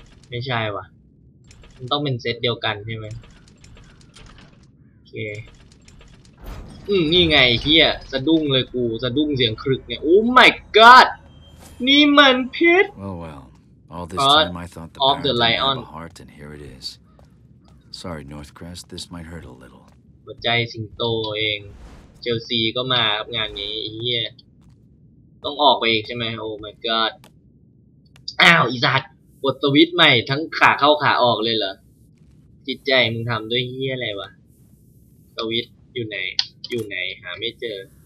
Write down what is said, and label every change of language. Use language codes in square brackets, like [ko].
[th] ไม่ใช่ว่ะมันต้องเป็นเซตเดียวกันใช่ไหมโอเคนี่ไงเฮียสะดุ้งเลยกูสะดุ้งเสียงครึกเนี่ยโอ้ my god นี่มันพิษ [en] well, well. God of the Lion heart and here it is sorry Northcrest this might hurt a little [th] หัวใจสิงโตเองเชลซีก็มาครับงานนี้เฮียต้องออกไปอีกใช่ไหมโอ้ my god อ้าวอีสัตว์กดสวิตช์ใหม่ทั้งขาเข้าขาออกเลยเหรอจิตใจมึงทำด้วยเฮียอะไรวะสวิตช์อยู่ไหนหาไม่เจอ